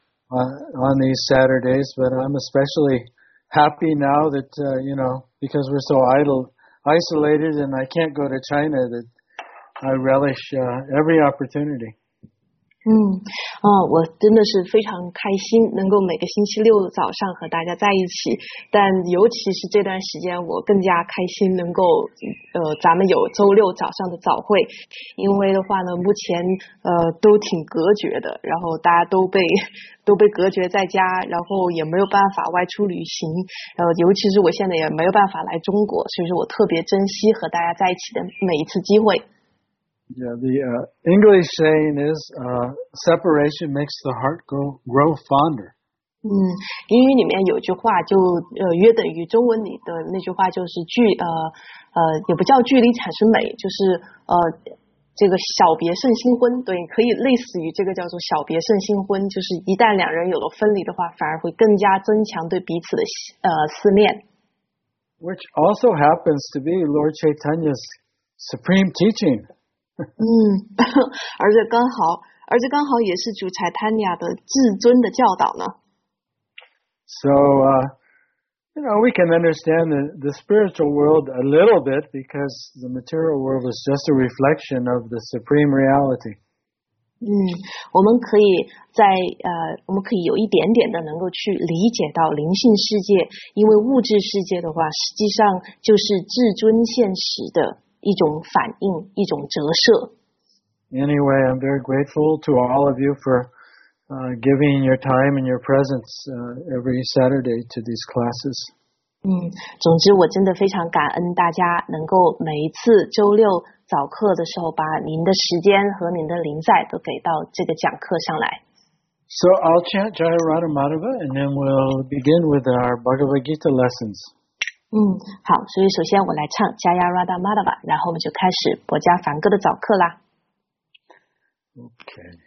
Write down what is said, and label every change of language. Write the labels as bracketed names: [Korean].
[English] On these Saturdays, but I'm especially happy now that, you know, because we're so isolated and I can't go to China, that I relish every opportunity. [Chinese] 我真的是非常开心能够每个星期六早上和大家在一起，但尤其是这段时间我更加开心能够咱们有周六早上的早会，因为的话呢目前都挺隔绝的，然后大家都被隔绝在家，然后也没有办法外出旅行，尤其是我现在也没有办法来中国，所以说我特别珍惜和大家在一起的每一次机会。 [English] Yeah, the English saying is, separation makes the heart grow fonder. [Chinese] 英语里面有句话就约等于中文里的那句话，就是也不叫距离产生美，就是这个小别胜新婚，对，可以类似于这个叫做小别胜新婚，就是一旦两人有了分离的话，反而会更加增强对彼此的思念。 [English] Which also happens to be Lord Chaitanya's supreme teaching. [Chinese] 而且刚好也是主柴坦尼亚的至尊的教导呢。 [English] So, you know, we can understand the spiritual world a little bit because the material world is just a reflection of the supreme reality. [Chinese] 我们可以有一点点的能够去理解到灵性世界，因为物质世界的话，实际上就是至尊现实的一种反应，一种折射。 [English] Anyway, I'm very grateful to all of you for giving your time and your presence every Saturday to these classes. [Chinese] 总之我真的非常感恩大家能够每一次周六早课的时候把您的时间和您的临在都给到这个讲课上来。 [English] So I'll chant Jaya Radha Madhava and then we'll begin with our Bhagavad Gita lessons. [Chinese] 好，所以首先我来唱加亚拉达玛达瓦，然后我们就开始博加梵歌的早课啦。 OK。